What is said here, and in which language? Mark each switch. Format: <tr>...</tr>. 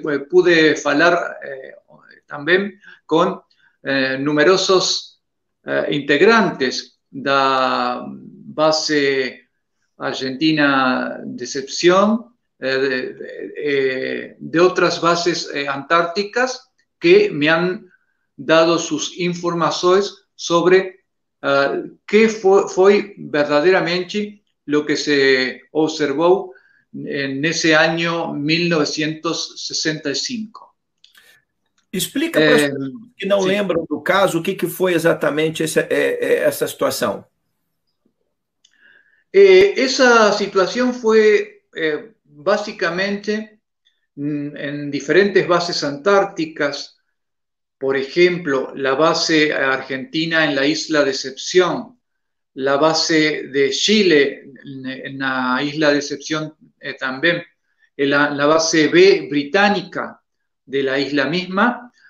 <es>pude hablar también con numerosos integrantes de la base argentina Decepción, de otras bases antárticas que me han dado sus informaciones sobre qué fue verdaderamente lo que se observó en ese año 1965.</es> <pt>Explica para as pessoas que não lembram do caso o que foi exatamente essa situação.</pt> <es>Esa situación fue básicamente en diferentes bases antárticas, por ejemplo, la base argentina en la isla Decepción, la base de Chile en la isla Decepción también, la base B británica de la isla misma.</es>